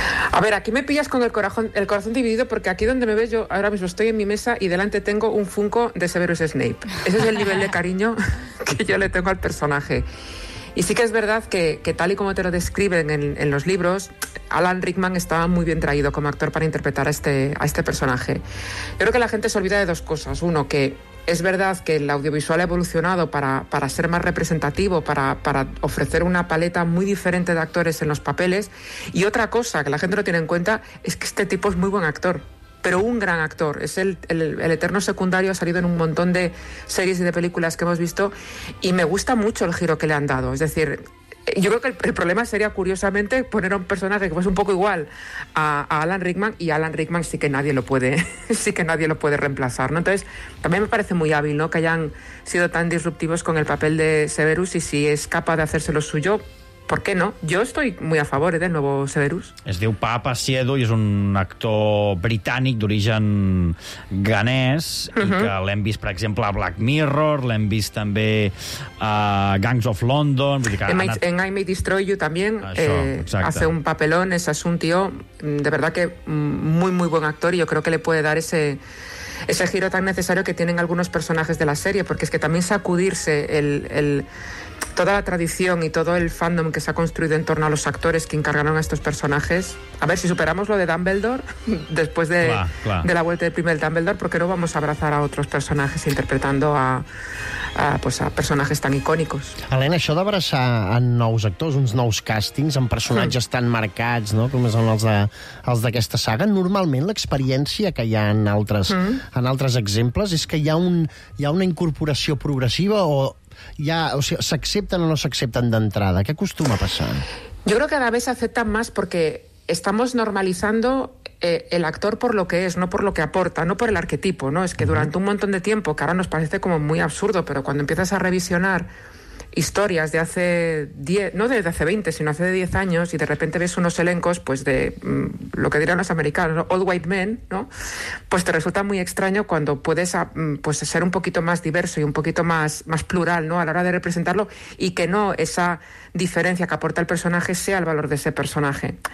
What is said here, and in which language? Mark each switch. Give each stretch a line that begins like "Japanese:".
Spanish: A ver, aquí me pillas con el corazón dividido, porque aquí donde me ves, yo ahora mismo estoy en mi mesa y delante tengo un Funko de Severus Snape. Ese es el nivel de cariño que yo le tengo al personaje. Y sí que es verdad que tal y como te lo describen en los libros, Alan Rickman estaba muy bien traído como actor para interpretar a este personaje. Yo creo que la gente se olvida de dos cosas. Uno, que es verdad que el audiovisual ha evolucionado para ser más representativo, para ofrecer una paleta muy diferente de actores en los papeles. Y otra cosa que la gente no tiene en cuenta es que este tipo es muy buen actor. pero un gran actor. Es el eterno secundario, ha salido en un montón de series y de películas que hemos visto y me gusta mucho el giro que le han dado. Es decir, yo creo que el problema sería, curiosamente, poner a un personaje que fuese un poco igual a Alan Rickman, y Alan Rickman sí que nadie lo puede, sí que nadie lo puede reemplazar, ¿no? Entonces, también me parece muy hábil, ¿no?, que hayan sido tan disruptivos con el papel de Severus, y si es capaz de hacerse lo suyo, ¿por qué no?
Catalan: Jo estic molt a favor del nou Severus. Es diu Papa Siedu i és un actor britànic d'origen ghanès, i que l'hem vist, per exemple, a Black Mirror, l'hem vist també a Gangs of London...
Spanish: En I May Destroy You
Catalan: també
Spanish: hace un papelón, és un tío de verdad que muy, muy buen actor, y yo creo que le puede dar ese giro tan necesario que tienen algunos personajes de la serie, porque es que también sacudirse toda la tradición y todo el fandom que se ha construido en torno a los actores que encargaron a estos personajes. A ver, si superamos lo de Dumbledore, después de la vuelta del primer Dumbledore, ¿por qué no vamos a abrazar a otros personajes interpretando a personajes tan icònics?
Catalan: Helena, això d'abraçar en nous actors, uns nous càstings, amb personatges tan marcats, no?, com són els d'aquesta saga, normalment l'experiència que hi ha en altres exemples és que hi ha una incorporació progressiva ¿s'accepten o no s'accepten d'entrada?
Spanish: ¿Qué acostuma a pasar? Yo creo que cada vez se aceptan más porque estamos normalizando el actor por lo que es, no por lo que aporta, no por el arquetipo, ¿no? Es que durante un montón de tiempo, que ahora nos parece como muy absurdo, pero cuando empiezas a revisionar historias de hace 10, no desde hace 20, sino hace 10 años, y de repente ves unos elencos, pues de lo que dirán los americanos, ¿no?,
English: old white men,
Spanish: ¿no?, pues te resulta muy extraño cuando puedes ser un poquito más diverso y un poquito más plural, ¿no?, a la hora de representarlo, y que no esa diferencia que aporta el personaje sea el valor de ese personaje.